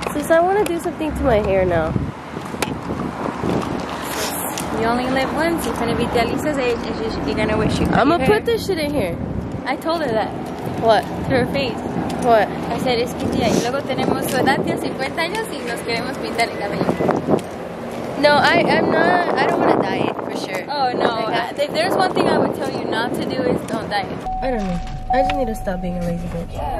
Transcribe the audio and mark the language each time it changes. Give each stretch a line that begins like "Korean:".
English: I want to do something to my hair now. You only live once. You're gonna be Delisa's age, and you're gonna wish you could. I'm gonna put this shit in here. I told her that. What? To her face. What? I said it's
Spanish: que ya. Y luego tenemos su edad, 50 años, y nos queremos pintar el cabello.
English: No, I'm not. I don't want to dye it for sure. Oh no. Like if there's one thing I would tell you not to do is don't dye it. I don't know. I just need to stop being a lazy bitch.